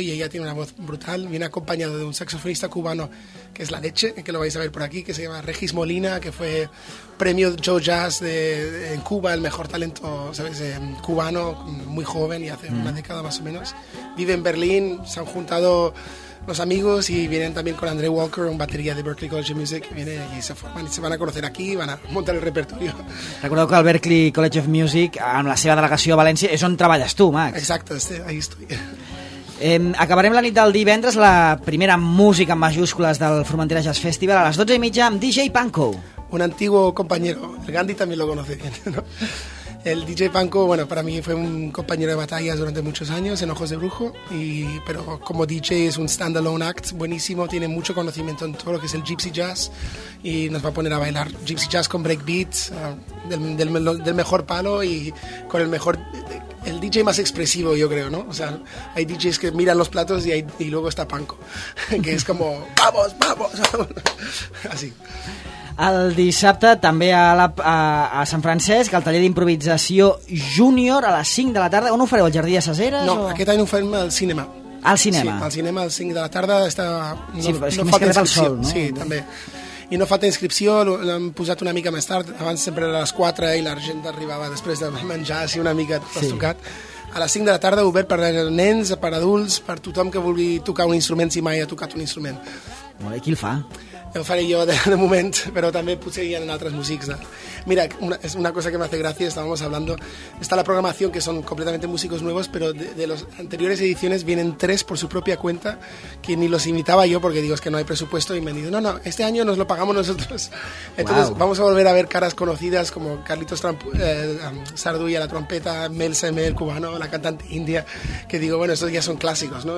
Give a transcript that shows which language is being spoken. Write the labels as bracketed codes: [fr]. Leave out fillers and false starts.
[es] Y ella tiene una voz brutal, viene acompañado de un saxofonista cubano que es la leche, que lo vais a ver por aquí, que se llama Regis Molina, que fue premio Joe Jazz en Cuba, el mejor talento, ¿sabes?, cubano, muy joven, y hace una década más o menos. Vive en Berlín, se han juntado los amigos y vienen también con André Walker, un batería de Berklee College of Music, que viene y se forman y se van a conocer aquí y van a montar el repertorio. [ca] Recordeu que el Berklee College of Music, amb la seva delegació a València, és on treballes tu, Max. [es] Exacte, ahí estoy. [ca] Acabarem la nit del divendres, la primera música en majúscules del Formentera Jazz Festival, a les 12:30 amb DJ Panko. [es] Un antiguo compañero, el Gandhi también lo conoce bien, ¿no? El DJ Panko, bueno, para mí fue un compañero de batallas durante muchos años en Ojos de Brujo, pero como DJ es un standalone act buenísimo, tiene mucho conocimiento en todo lo que es el Gypsy Jazz y nos va a poner a bailar Gypsy Jazz con breakbeat del mejor palo y con el mejor... El DJ más expresivo, yo creo, ¿no? O sea, hay DJs que miran los platos y luego está Panko, que es como, ¡vamos, vamos! Así. [ca] El dissabte també a Sant Francesc, al taller d'improvisació júnior a les 5 de la tarda. On ho fareu, al Jardí de Saseres? No, aquest any ho farem al cinema. Al cinema? Sí, al cinema a les 5 de la tarda. Està... No, sí, és que no més que rep el sol, no? Sí, també. I no falta inscripció, l'hem posat una mica més tard. Abans sempre era a les 4 i la gent arribava després de menjar, així una mica trastocat. Sí. A les 5 de la tarda, obert per nens, per adults, per tothom que vulgui tocar un instrument si mai ha tocat un instrument. Molt bé, qui el fa? Ho faré jo de moment, però també potser hi ha altres músics. [es] Mira, [ca] és una cosa que [es] me hace gracia, estábamos hablando, está la programación, que son completamente músicos nuevos, pero de las anteriores ediciones vienen tres por su propia cuenta, que ni los invitaba yo, porque digo, es que no hay presupuesto, y me han dicho, no, este año nos lo pagamos nosotros. Entonces, wow. Vamos a volver a ver caras conocidas, como Carlitos Sardú y a la trompeta, Mel Semel, cubano, la cantante india, que digo, bueno, estos ya son clásicos, ¿no?